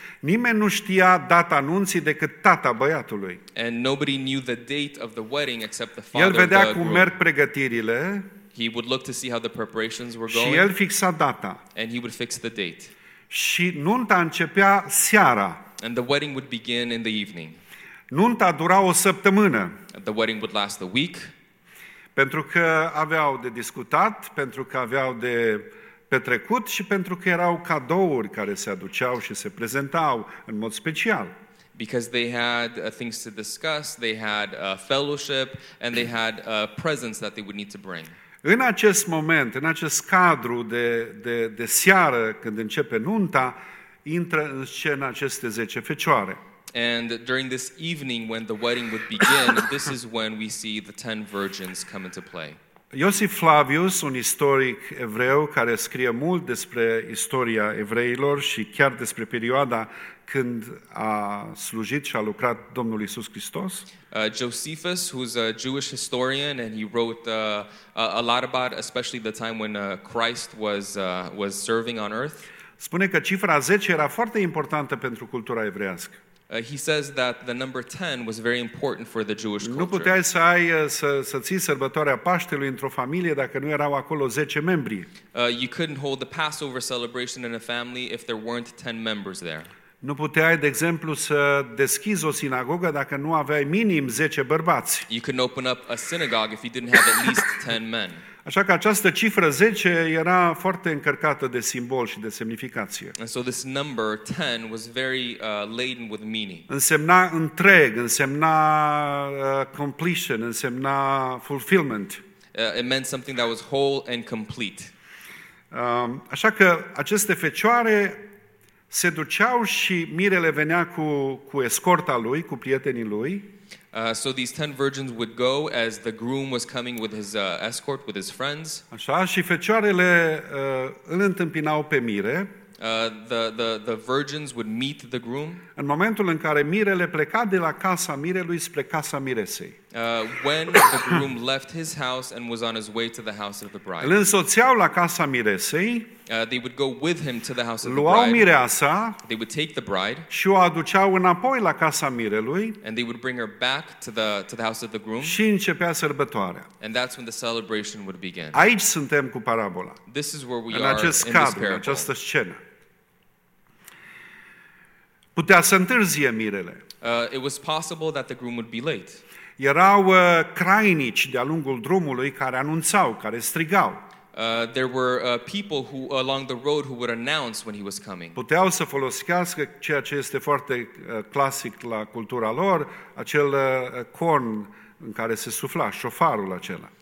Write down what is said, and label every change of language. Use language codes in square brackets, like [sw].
[ro] Nimeni nu știa data anunții decât tata băiatului. [en] And nobody knew the date of the wedding except the father of the groom. [ro] El vedea cum merg pregătirile. [en] He would look to see how the preparations were going. [ro] Și el fixa data. [en] And he would fix the date. [ro] Și nunta începea seara. [en] And the wedding would begin in the evening. [ro] Nunta dura o săptămână. [en] The wedding would last a week. [ro] Pentru că aveau de discutat, pentru că aveau de petrecut și pentru că erau cadouri care se aduceau și se prezentau în mod special. [en] Because they had things to discuss, they had a fellowship and they had a presents that they would need to bring. [ro] În acest moment, în acest cadru de seară când începe nunta, intră în scenă aceste 10 fecioare. [en] And during this evening when the wedding would begin, this is when we see the 10 virgins come into play. [ro] Iosif Flavius, un istoric evreu care scrie mult despre istoria evreilor și chiar despre perioada când a slujit și a lucrat Domnul Iisus Hristos. [en] Josephus, who's a Jewish historian and he wrote a lot about especially the time when Christ was serving on earth. [ro] Spune că cifra 10 era foarte importantă pentru cultura evreiască. [en] He says that the number 10 was very important for the Jewish culture. [ro] Nu puteai să ai să ții sărbătoarea Paștelui într-o familie dacă nu erau acolo 10 membri. [en] You couldn't hold the Passover celebration in a family if there weren't 10 members there. [ro] Nu puteai, de exemplu, să deschizi o sinagogă dacă nu aveai minim 10 bărbați. [en] You couldn't open up a synagogue if you didn't have at least 10 men. [ro] Așa că această cifră 10 era foarte încărcată de simbol și de semnificație. [en] And so this number 10 was very laden with meaning. [ro] Însemna întreg, însemna [en] completion, [ro] însemna [en] fulfillment. It meant something that was whole and complete. [ro] Așa că aceste fecioare se duceau și mirele venea cu escorta lui, cu prietenii lui. [en] So these 10 virgins would go as the groom was coming with his escort, with his friends. [ro] Așa, și fecioarele îl întâmpinau pe mire. [en] The virgins would meet the groom. [ro] În momentul în care mirele pleca de la casa mirelui spre casa miresei. [en] When the groom left his house and was on his way to the house of the bride. [ro] Îl însoțeau la casa miresei. [en] They would go with him to the house of [ro] luau [en] the bride. [ro] Luau mireasa. [en] They would take the bride. [ro] Și o aduceau înapoi la casa mirelui. [en] And they would bring her back to the house of the groom. [ro] Și începea sărbătoarea. [en] And that's when the celebration would begin. [ro] Aici suntem cu parabola. [en] This is where we are in this parable. [ro] În această scenă. Putea să întârzie mirele. [en] It was possible that the groom would be late. [ro] Erau crainici de-a lungul drumului care anunțau, care strigau. [en] There were people who along the road who would announce when he was coming. [ro] Puteau să folosească ceea ce este foarte clasic la cultura lor, acel corn în care se sufla, șofarul acela.